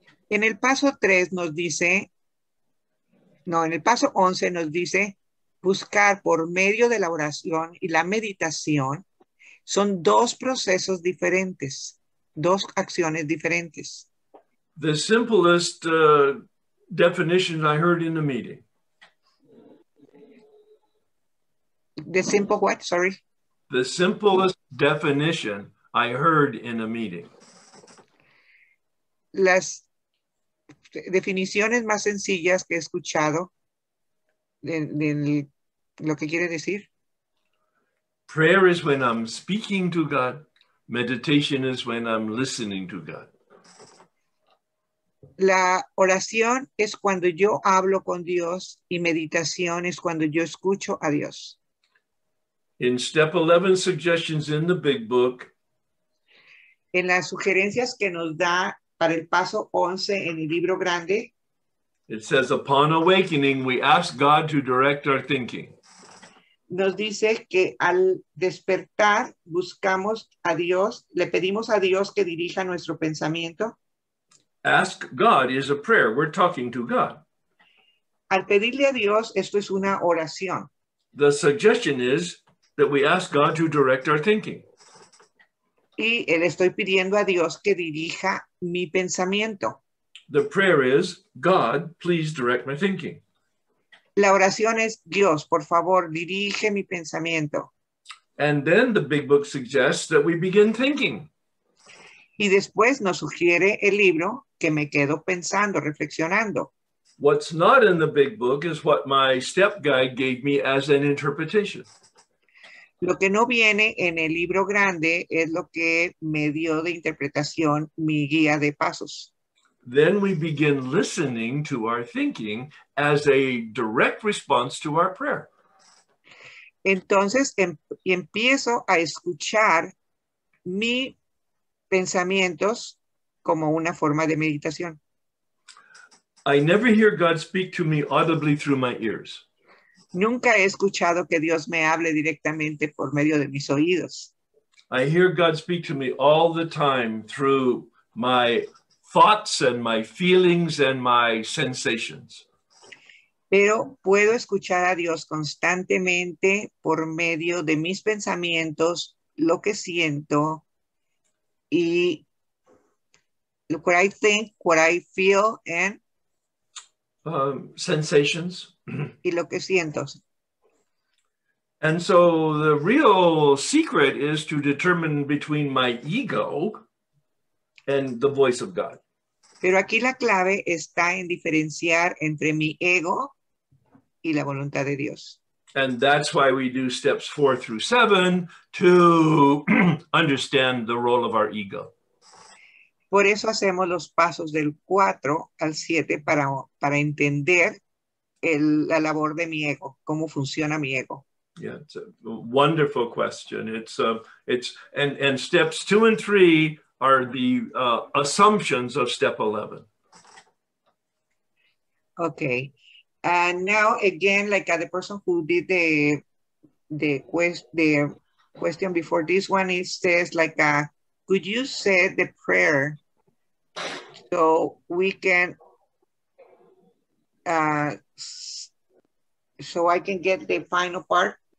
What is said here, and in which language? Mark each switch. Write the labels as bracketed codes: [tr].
[es] En el paso 3 nos dice, no, en el paso 11 nos dice, buscar por medio de la oración y la meditación son dos procesos diferentes, dos acciones diferentes. [en] The simplest definition I heard in the meeting. The simple what? Sorry. The simplest definition I heard in a meeting. [es] Las definiciones más sencillas que he escuchado en el lo que quiere decir. [en] Prayer is when I'm speaking to God. Meditation is when I'm listening to God. [es] La oración es cuando yo hablo con Dios y meditación es cuando yo escucho a Dios. [en] In step 11 suggestions in the big book. [es] En las sugerencias que nos da para el paso 11 en el libro grande. [en] It says upon awakening we ask God to direct our thinking. [es] Nos dice que al despertar buscamos a Dios, le pedimos a Dios que dirija nuestro pensamiento. [en] Ask God is a prayer. We're talking to God. [es] Al pedirle a Dios, esto es una oración. [en] The suggestion is that we ask God to direct our thinking. [es] Y le estoy pidiendo a Dios que dirija mi pensamiento. [en] The prayer is, God, please direct my thinking. [es] La oración es, Dios, por favor, dirige mi pensamiento. [en] And then the big book suggests that we begin thinking. [es] Y después nos sugiere el libro que me quedo pensando, reflexionando. [en] What's not in the big book is what my step guide gave me as an interpretation. [es] Lo que no viene en el libro grande es lo que me dio de interpretación mi guía de pasos. [en] Then we begin listening to our thinking as a direct response to our prayer. [es] Entonces empiezo a escuchar mis pensamientos como una forma de meditación. [en] I never hear God speak to me audibly through my ears. [es] Nunca he escuchado que Dios me hable directamente por medio de mis oídos. [en] I hear God speak to me all the time through my thoughts and my feelings and my sensations. [es] Pero puedo escuchar a Dios constantemente por medio de mis pensamientos, lo que siento, y [en] what I think, what I feel, and sensations. [es] Y lo que siento. [en] And so the real secret is to determine between my ego and the voice of God. [es] Pero aquí la clave está en diferenciar entre mi ego y la voluntad de Dios. [en] And that's why we do steps 4 through 7 to understand the role of our ego. [es] Por eso hacemos los pasos del 4 al 7 para entender la labor de mi ego, cómo funciona mi ego. [en] Yeah, it's a wonderful question. And steps 2 and 3 are the assumptions of step 11. Okay. And now again, like the person who did the question before this one, it says like, could you say the prayer so we can, so I can get the final part?